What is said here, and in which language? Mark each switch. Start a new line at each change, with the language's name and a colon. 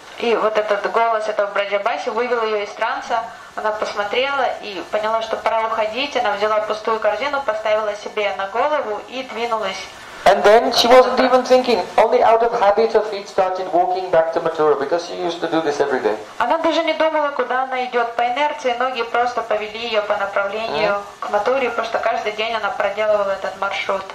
Russian: И вот этот голос этого Браджабаси вывел ее из транса. Она посмотрела и поняла, что пора уходить. Она взяла пустую корзину, поставила себе на голову и двинулась.
English: And then she wasn't even thinking. Only out of habit, her feet started walking back to Mathura because she used to do this every day.
Russian: Она даже не думала, куда она идет. По инерции ноги просто повели ее по направлению к Матуре, потому что каждый день она проделывала этот маршрут.